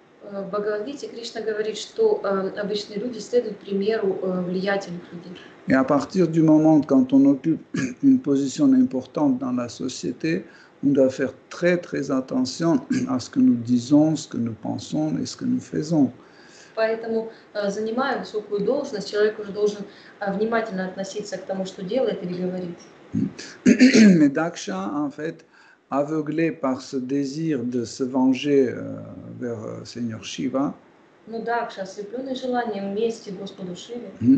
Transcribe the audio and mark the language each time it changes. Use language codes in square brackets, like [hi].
[ru] Bhagavad Gita, Krishna говорит, что обычные люди следуют примеру влиятельных людей. [fr] Et à partir du moment quand on occupe une position importante dans la société, on doit faire très très attention à ce que nous disons, ce que nous pensons et ce que nous faisons. [ru] Поэтому, занимая высокую должность, человек уже должен внимательно относиться к тому, что делает или говорит. [fr] Mais Daksha, en fait, aveuglé par ce désir de se venger vers Seigneur Shiva, [ru] но Дакша, ослепленный желанием мести Господу Шиве,